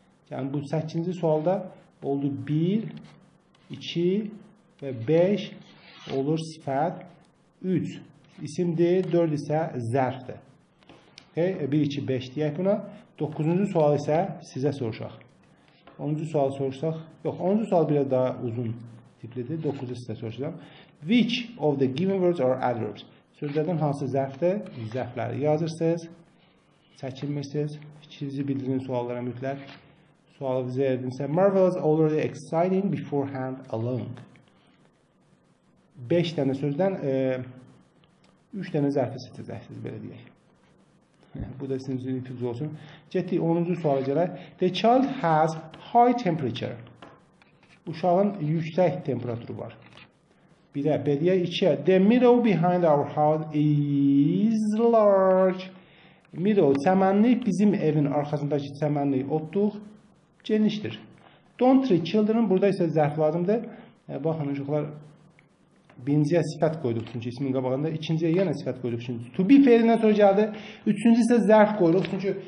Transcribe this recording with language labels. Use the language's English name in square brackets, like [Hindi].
[Azerbaijani] Yəni bu 8-ci sualda oldu 1, 2 və 5 olur sifət, 3 isimdir, 4 isə zərfdir. Okay, 1, 2, 5 deyək buna. 9-cu sual isə sizə soruşaq. 10-cu sual soruşsaq, yox, 10-cu sual bir daha uzun tiplidir. 9-cu sizə soruşacağım. [English] Which of the given words are adverbs? [Azerbaijani] Sözlərdən hansı zərfdir? Zərfləri yazırsınız. Çəkinmirsiniz. İkinizi bildirin suallara mütləq. Sualı bizə verdinizsə, [English] marvelous already exciting beforehand alone. [Azerbaijani] 5 dənə sözdən 3 dənə zərfi seçəcəksiniz, belə deyək. Bu da sizin üçün ipucu olsun. Getdik 10-cu suala gələk. [English] The child has high temperature. [Azerbaijani] Uşağın yüksək temperaturu var. 1-ə, 2-ə. [English] The meadow behind our house is large. [Azerbaijani] Meadow, çəmənlik, bizim evin arxasındakı çəmənlik otluq genişdir. [English] Don't treat children. [Azerbaijani] Burada isə zərf lazımdır. Baxın, uşaqlar. Birinciyə sifət qoyduq çünki ismin qabağında. İkinciyə yenə sifət qoyduq çünki. To be fair-dən sonra gəldi. Üçüncü isə zərf qoyduq çünki.